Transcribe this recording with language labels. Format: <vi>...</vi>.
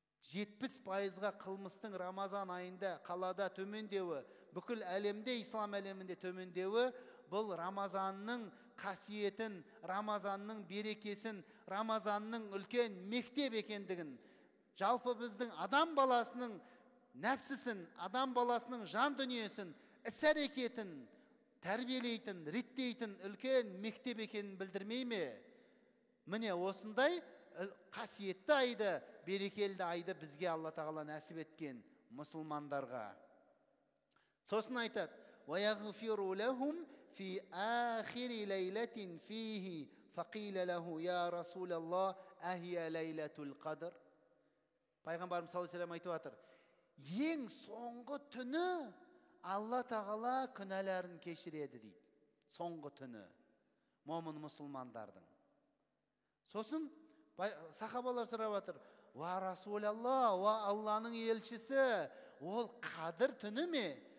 <kk>70%-ға қылмыстың Рамазан айында қалада төмендеуі, бүкіл әлемде, ислам әлемінде төмендеуі, бұл Рамазанның қасиетін, Рамазанның берекесін, Рамазанның үлкен мектеп екендігін, жалпы біздің адам баласының нәпсісін, адам баласының жан дүниесін, іс-әрекетін, тәрбиелейтін, реттейтін үлкен мектеп екенін білдірмей ме? Міне осындай қасиетті айды, берекелді айды бізге Алла Тағала нәсіп еткен мұсылмандарға. Сосын айтады:</kk> <ar>وَيَغْفِرُ لَهُمْ فِي آخِرِ لَيْلَةٍ فِيهِ فَقِيلَ لَهُ يَا رَسُولَ اللَّهِ أَهِيَ لَيْلَةُ الْقَدْرِ.</ar> <kk>Пайғамбарым саллаллаһу алейхи ва саллям айтып отыр: ең соңғы түні Алла Тағала күнәлерін кешіреді дейді. Соңғы түні момын мұсылмандардың. Сосын сахабалар сұрап отыр: «Уа Расулаллах, уа Алланың елшісі, ол қадір түні ме?»</kk>